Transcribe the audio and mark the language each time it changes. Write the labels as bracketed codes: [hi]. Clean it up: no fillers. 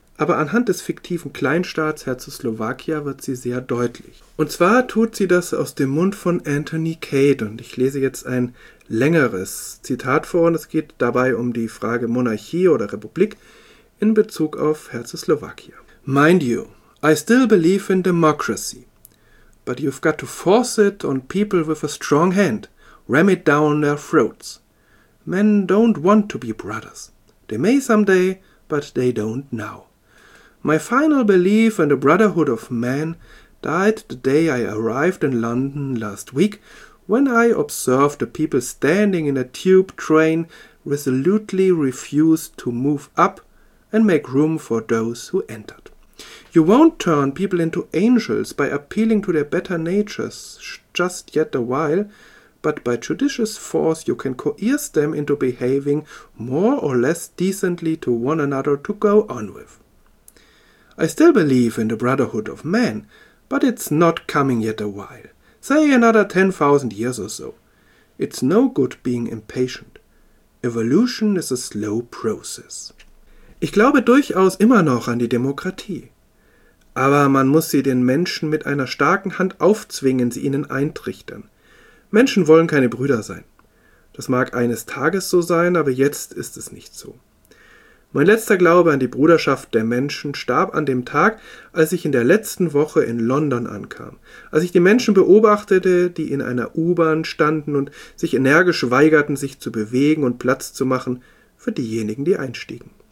[de] Aber anhand des fiktiven Kleinstaats Herzoslowakia wird sie sehr deutlich. Und zwar tut sie das aus dem Mund von Anthony Cade, und ich lese jetzt ein längeres Zitat vor, und es geht dabei um die Frage Monarchie oder Republik in Bezug auf Herzoslowakia. [en] Mind you, I still believe in democracy. But you've got to force it on people with a strong hand. Ram it down their throats. Men don't want to be brothers. They may someday, but they don't now. My final belief in the brotherhood of man died the day I arrived in London last week when I observed the people standing in a tube train resolutely refused to move up and make room for those who entered. You won't turn people into angels by appealing to their better natures just yet a while, but by judicious force you can coerce them into behaving more or less decently to one another to go on with. I still believe in the brotherhood of man, but it's not coming yet a while. Say another 10,000 years or so. It's no good being impatient. Evolution is a slow process. [de] Ich glaube durchaus immer noch an die Demokratie. Aber man muss sie den Menschen mit einer starken Hand aufzwingen, sie ihnen eintrichtern. Menschen wollen keine Brüder sein. Das mag eines Tages so sein, aber jetzt ist es nicht so. Mein letzter Glaube an die Bruderschaft der Menschen starb an dem Tag, als ich in der letzten Woche in London ankam, als ich die Menschen beobachtete, die in einer U-Bahn standen und sich energisch weigerten, sich zu bewegen und Platz zu machen für diejenigen, die einstiegen.